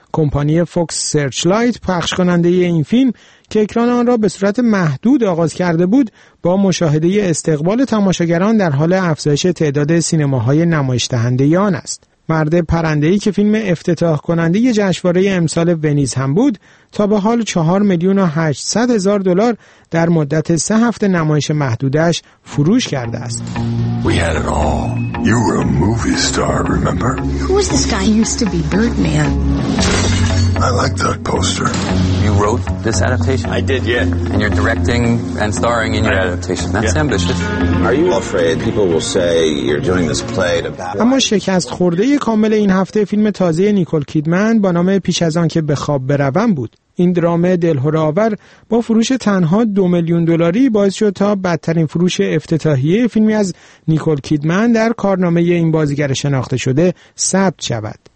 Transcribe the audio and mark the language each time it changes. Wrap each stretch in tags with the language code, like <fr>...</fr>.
<fa>کمپانی فوکس سرچلایت پخش کننده این فیلم که اکران آن را به صورت محدود آغاز کرده بود، با مشاهده استقبال تماشاگران در حال افزایش تعداد سینماهای نمایش دهنده آن است. مرد پرنده‌ای که فیلم افتتاح کننده جشنواره امسال ونیز هم بود، تا به حال 4 میلیون و 800 دلار در مدت 3 هفته نمایش محدودش فروش کرده است.</fa> <en>We had it all. You were a movie star, remember? Who was this guy who used to be Birdman? I like that poster. You wrote this adaptation? I did, yeah. And you're directing and starring in your adaptation. That's ambitious. Are you afraid people will say you're doing this play to battle?</en> <fa>اما شکست خورده کامل این هفته فیلم تازه نیکول کیدمن با نام پیش از آن که به خواب بروم بود. این درام دلهره‌آور با فروش تنها 2 میلیون دلاری باعث شد تا بدترین فروش افتتاحیه فیلمی از نیکول کیدمن در کارنامه این بازیگر شناخته شده ثبت شود.</fa>